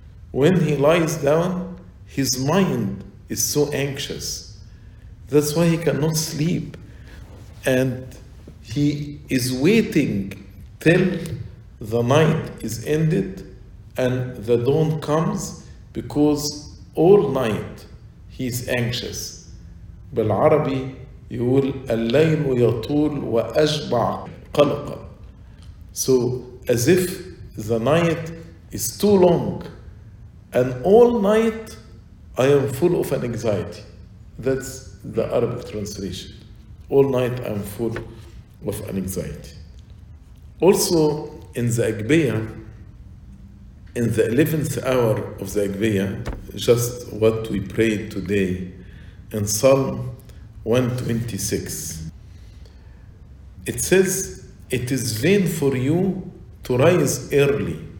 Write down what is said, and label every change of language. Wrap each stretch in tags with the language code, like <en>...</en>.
<en>When he lies down, his mind is so anxious. That's why he cannot sleep. And he is waiting till the night is ended and the dawn comes, because all night he is anxious.</en> <ar>Bil Arabi, يقول الليل يطول وأشبع قلقا.</ar> <en>So as if the night is too long, and all night I am full of an anxiety. That's the Arabic translation. All night I am full of an anxiety. Also in the Agbaya, in the 11th hour of the Agbaya, just what we prayed today, in Psalm 126, it says, "It is vain for you to rise early."</en>